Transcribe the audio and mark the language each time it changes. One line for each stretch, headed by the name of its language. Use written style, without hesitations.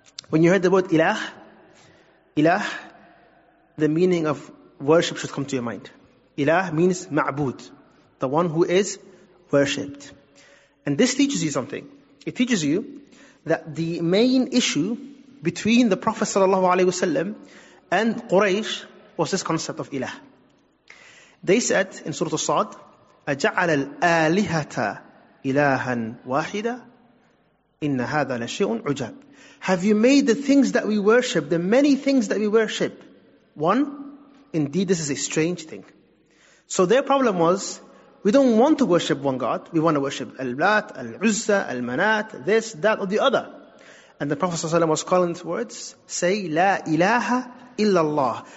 English: When you heard the word ilah, ilah, the meaning of worship should come to your mind. Ilah means ma'bud, the one who is worshipped. And this teaches you something. It teaches you that the main issue between the Prophet sallallahu alaihi wasallam and Quraysh was this concept of ilah. They said in Surah As-Sad,
Arabic: أَجَعَلَ الْآلِهَةَ إِلَهًا وَاحِدًا إِنَّ هَذَا لَشِيءٌ عُجَابٌ.
English: Have you made the things that we worship, the many things that we worship, one? Indeed, this is a strange thing. So their problem was, we don't want to worship one God. We want to worship Al-Lat, Al-Uzza, Al-Manat, this, that, or the other. And the Prophet ﷺ was calling these words, say, La ilaha illallah.